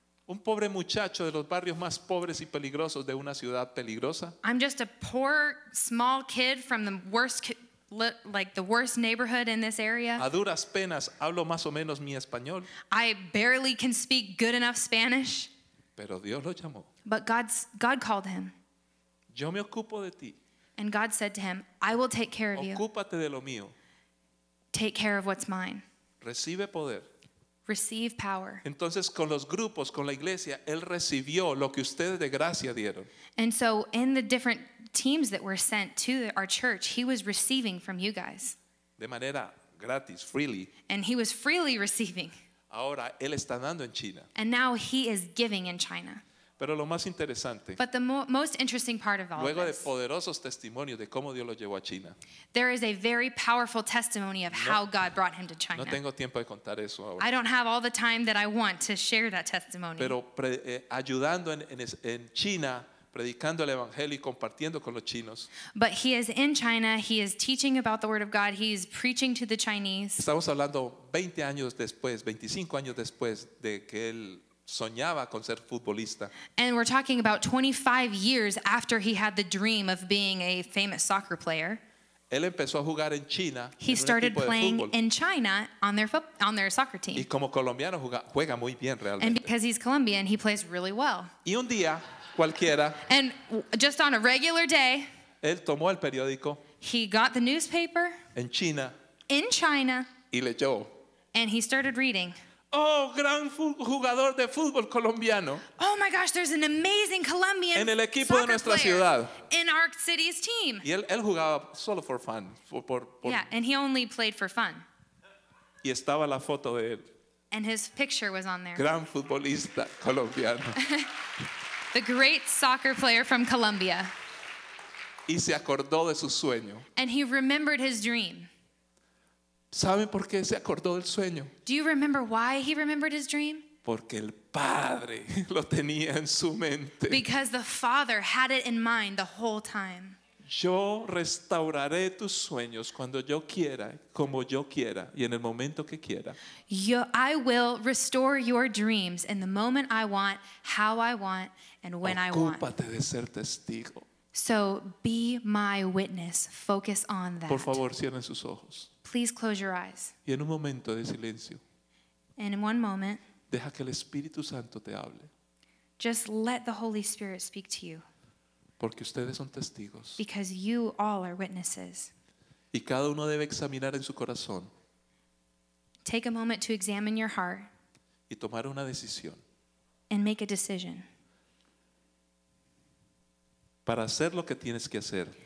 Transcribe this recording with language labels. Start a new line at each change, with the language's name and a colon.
Spanish: Un pobre muchacho de los barrios más pobres y peligrosos de una ciudad peligrosa.
English: I'm just a poor, small kid from the worst, like the worst neighborhood in this area.
Spanish: A duras penas hablo más o menos mi español.
English: I barely can speak good enough Spanish.
Spanish: Pero Dios lo llamó.
English: But God called him.
Spanish: Yo me ocupo de ti.
English: And God said to him, I will take care of you.
Spanish: Ocúpate de lo mío.
English: Take care of what's mine.
Spanish: Recibe poder.
English: Receive power.
Spanish: Entonces con los grupos, con la iglesia, él recibió lo que ustedes de gracia dieron.
English: And so in the different teams that were sent to our church, he was receiving from you guys.
Spanish: De manera gratis, freely.
English: And he was freely receiving.
Spanish: Ahora él está dando en China.
English: And now he is giving in China.
Spanish: Pero lo más interesante.
English: But the most interesting part of all
Spanish: luego
English: of
Spanish: de poderosos testimonios de cómo Dios lo llevó a China.
English: There is a very powerful testimony of how God brought him to China.
Spanish: No tengo tiempo de contar eso ahora.
English: I don't have all the time that I want to share that testimony.
Spanish: Pero ayudando en China, predicando el evangelio y compartiendo con los chinos.
English: But he is in China, he is teaching about the word of God, he is preaching to the Chinese.
Spanish: Estamos hablando 20 años después, 25 años después de que él soñaba con ser futbolista.
English: And we're talking about 25 years after he had the dream of being a famous soccer player.
Spanish: Él empezó a jugar en China.
English: He started playing in China on their soccer team.
Spanish: Y como colombiano juega muy bien realmente.
English: And because he's Colombian, he plays really well.
Spanish: Y un día cualquiera.
English: And just on a regular day.
Spanish: Él tomó el periódico.
English: He got the newspaper.
Spanish: En China.
English: In China.
Spanish: Y leyó.
English: And he started reading.
Spanish: Oh, gran jugador de fútbol colombiano.
English: Oh my gosh, there's an amazing Colombian
Spanish: en el equipo de nuestra ciudad.
English: In our city's team.
Spanish: Y él jugaba solo
English: for fun. Yeah, and he only played for fun.
Spanish: Y estaba la foto de él.
English: And his picture was on there.
Spanish: Gran futbolista colombiano.
English: The great soccer player from Colombia.
Spanish: Y se acordó de su sueño.
English: And he remembered his dream.
Spanish: ¿Sabe por qué se acordó del sueño?
English: Do you remember why he remembered his dream?
Spanish: Porque el padre lo tenía en su mente.
English: Because the father had it in mind the whole time.
Spanish: Yo restauraré tus sueños cuando yo quiera, como yo quiera, y en el momento que quiera.
English: Yo, I will restore your dreams in the moment I want, how I want, and when I want.
Spanish: Ocúpate de ser testigo.
English: So be my witness. Focus on that.
Spanish: Por favor, cierren sus ojos.
English: Please close your eyes.
Spanish: Y en un momento de silencio.
English: And in one moment.
Spanish: Deja que el Espíritu Santo te hable.
English: Just let the Holy Spirit speak to you.
Spanish: Porque ustedes son testigos.
English: Because you all are witnesses.
Spanish: Y cada uno debe examinar en su corazón.
English: Take a moment to examine your heart.
Spanish: Y tomar una decisión.
English: And make a decision.
Spanish: Para hacer lo que tienes que hacer.